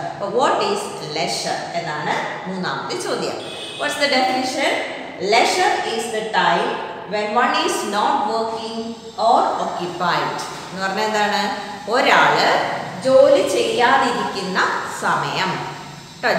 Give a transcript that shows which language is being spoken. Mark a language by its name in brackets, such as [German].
[Malayalam] അപ്പോൾ [English] what is leisure [Malayalam] എന്നാണ് മൂന്നാമത്തെ ചോദ്യം. [English] What's the definition? Leisure is the time when one is not working or occupied. [Malayalam] എന്ന് പറഞ്ഞാൽ എന്താണ്? ഒരാള് ജോലി ചെയ്യാതിരിക്കുന്ന സമയം കേട്ടോ.